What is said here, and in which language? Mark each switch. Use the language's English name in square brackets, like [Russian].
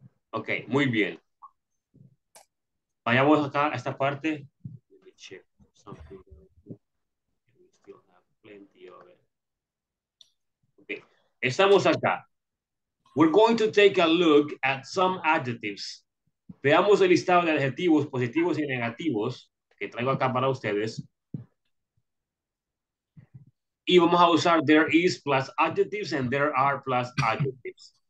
[Spanish] Okay, muy bien. Vayamos acá a esta parte. [English] Let me check something. We still have plenty of it. [Spanish] Okay, estamos acá. [English] We're going to take a look at some adjectives. [Spanish] Veamos el listado de adjetivos positivos y negativos que traigo acá para ustedes. Y vamos a usar [English] there is plus adjectives and there are plus adjectives.